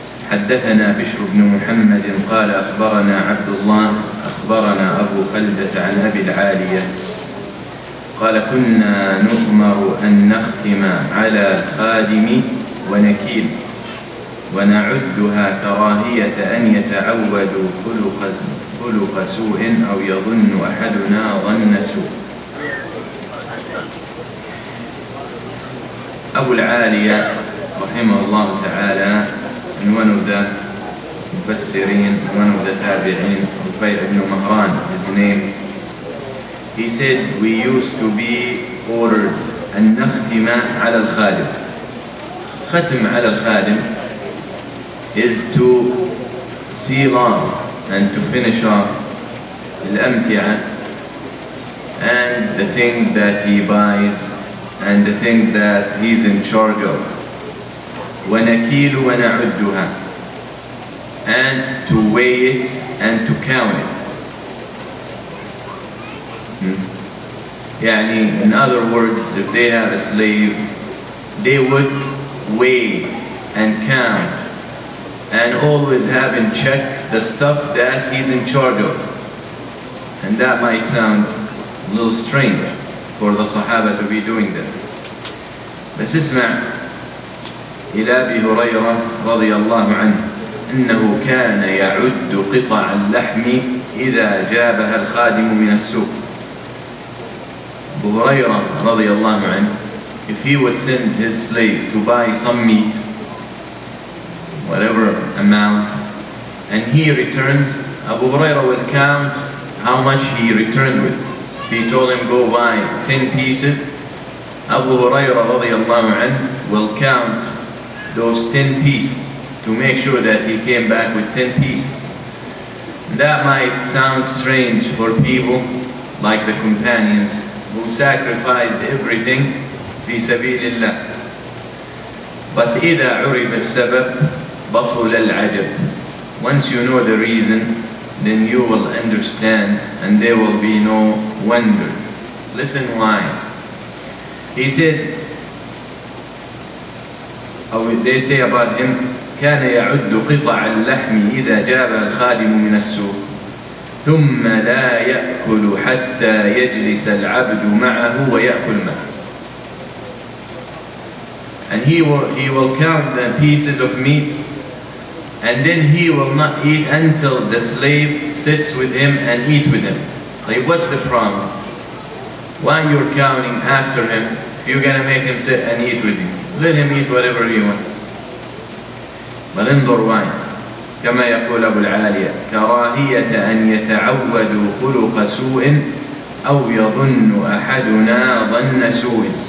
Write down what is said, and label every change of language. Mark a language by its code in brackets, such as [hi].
[ar] حدثنا بشر بن محمد قال أخبرنا عبد الله أخبرنا أبو خلدة عن أبي العالية قال كنا نؤمر أن نختم على خادم ونكيل ونعدها كراهية أن يتعود خلق سوء أو يظن أحدنا ظن سوء. أبو العالية رحمه الله تعالى من ونود مفسرين ونود تابعين رفيع بن مهران [en] his name. He said we used to be ordered [ar] أن نختم على الخادم. ختم على الخادم [en] is to seal off and to finish off الأمتعة and the things that he buys and the things that he's in charge of. [ar] ونكيل ونعدها [en] and to weigh it and to count it. يعني in other words, if they have a slave, they would weigh and count and always have in check the stuff that he's in charge of. And that might sound a little strange for the Sahaba to be doing that. [ar] بس اسمع إلى أبي هريرة رضي الله عنه أنه كان يعد قطع اللحم إذا جابها الخادم من السوق. [en] أبو هريرة رضي الله عنه, if he would send his slave to buy some meat, whatever amount, and he returns, Abu Huraira will count how much he returned with. If he told him go buy 10 pieces, Abu Huraira رضي الله عنه will count those 10 pieces to make sure that he came back with 10 pieces. That might sound strange for people like the companions who sacrificed everything [ar] في سبيل الله. But إذا عرف السبب بطل العجب. [en] Once you know the reason, then you will understand and there will be no wonder. Listen why. He said, [ar] أو [en] they say about him, [ar] كان يعد قطع اللحم إذا جاب الخادم من السوق ثم لا يأكل حتى يجلس العبد معه ويأكل معه. [en] And he will count the pieces of meat and then he will not eat until the slave sits with him and eat with him. Like, what's the problem? Why you're counting after him if you're gonna make him sit and eat with you? Let him eat whatever he wants. But in Durwai, [ar] كما يقول أبو العالية كراهية أن يتعودوا خلق سوء أو يظن أحدنا ظن سوء.